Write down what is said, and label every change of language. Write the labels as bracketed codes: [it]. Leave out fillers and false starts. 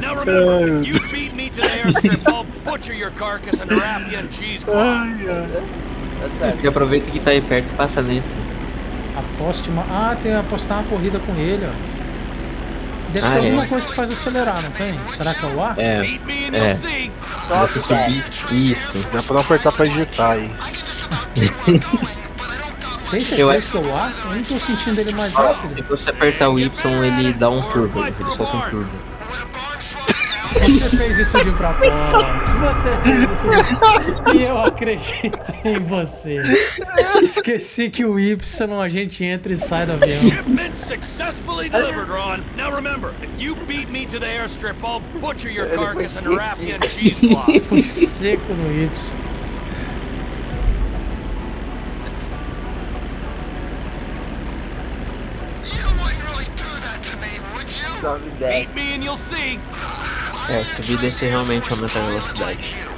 [en] Now remember, if you beat me to the airstrip, I'll butcher your carcass and wrap you in cheesecloth. [pt] Aproveita que tá aí perto e passa nisso. Aposte uma... Ah, tem que apostar uma corrida com ele, ó. Deve ter alguma coisa que faz acelerar, não tem? Será que é o ar? É. Isso. Dá pra não apertar pra injetar aí. Tem certeza que é o ar? Eu não tô sentindo ele mais rápido. Se você apertar o Y, ele dá um turbo. Ele solta um turbo. Você fez isso de propósito. Você fez isso de propósito. E eu acreditei em você. Esqueci que o Y a gente entra e sai do avião. [en] Shipment successfully delivered, Ron. Now remember, if you beat me to the airstrip, I'll butcher your carcass and wrap you in cheesecloth. [pt] Fui seco no Y. [en] You wouldn't really do that to me, would you? Beat me and you'll see. [pt] É, subir e descer realmente aumenta a velocidade.